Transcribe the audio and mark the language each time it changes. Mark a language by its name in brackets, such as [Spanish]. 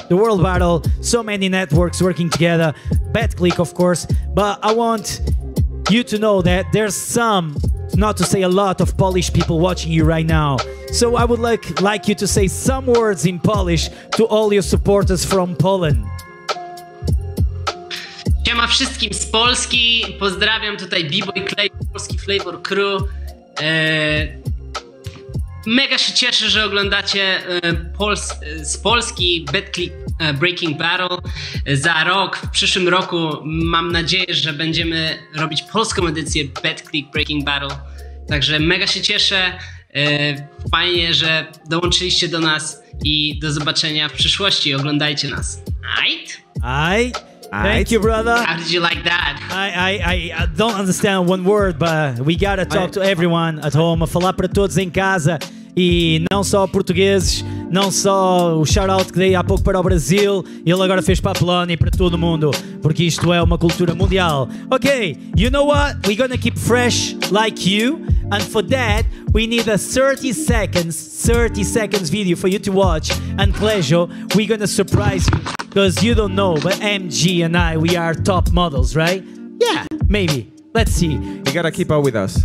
[English] The World Battle, so many networks working together. Betclic, of course. But I want you to know that there's some, not to say a lot, of Polish people watching you right now. So I would like you to say some words in Polish to all your supporters from Poland. [Polish] Siema wszystkim z Polski, pozdrawiam tutaj B-Boy Clay, Polski Flavor Crew. Mega się cieszę, że oglądacie z Polski Betclic Breaking Battle. Za rok, w przyszłym roku mam nadzieję, że będziemy robić polską edycję Betclic Breaking Battle. Także mega się cieszę, fajnie, że dołączyliście do nas i do zobaczenia w przyszłości. Oglądajcie nas. Ajt? Ajt? [English] Thank you, brother. How did you like that? I don't understand one word, but we gotta talk to everyone at home. [Portuguese] Falar para todos em casa e não só portugueses, não só o shout-out que dei há pouco para o Brasil. Ele agora fez para a Polónia e para todo mundo, porque isto é uma cultura mundial. [English] Okay, you know what? We're gonna keep fresh like you. And for that, we need a 30 seconds video for you to watch. And Clejo, we're gonna surprise you. Because you don't know, but MG and I, we are top models, right? Yeah, maybe. Let's see. You gotta keep up with us.